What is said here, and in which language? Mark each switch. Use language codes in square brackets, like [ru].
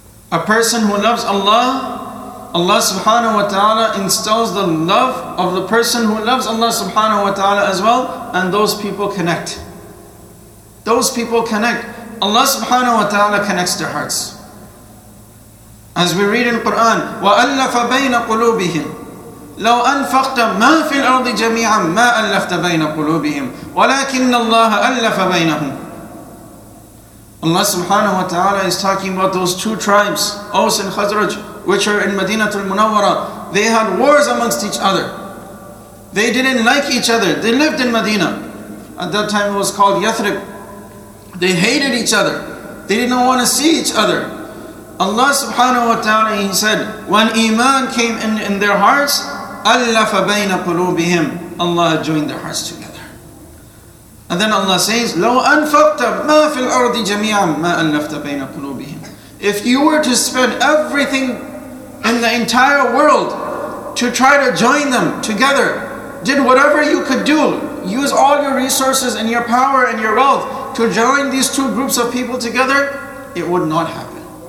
[en] A person who loves Allah, Allah subhanahu wa ta'ala instills the love of the person who loves Allah subhanahu wa ta'ala as well, and those people connect. Those people connect. Allah subhanahu wa ta'ala connects their hearts. As we read in Quran, [ar] وَأَلَّفَ بَيْنَ قُلُوبِهِمْ لَوْ أَنْفَقْتَ مَا فِي الْأَرْضِ جَمِيعًا مَا أَلَّفْتَ بَيْنَ قُلُوبِهِمْ وَلَكِنَّ اللَّهَ أَلَّفَ بَيْنَهُمْ. [en] Allah subhanahu wa ta'ala is talking about those two tribes, Aws and Khazraj, which are in Madinatul Munawwara. They had wars amongst each other. They didn't like each other. They lived in Medina. At that time it was called Yathrib. They hated each other. They didn't want to see each other. Allah subhanahu wa ta'ala, He said, when iman came in their hearts, [ar] أَلَّفَ بَيْنَ قُلُوبِهِمْ, [en] Allah joined their hearts together. And then Allah says, [ar] لَوْ أَنْفَقْتَ مَا فِي الْأَرْضِ جَمِيعًا مَا أَلَّفْتَ بَيْنَ قُلُوبِهِمْ. [en] If you were to spend everything in the entire world to try to join them together, did whatever you could do, use all your resources and your power and your wealth to join these two groups of people together, it would not happen.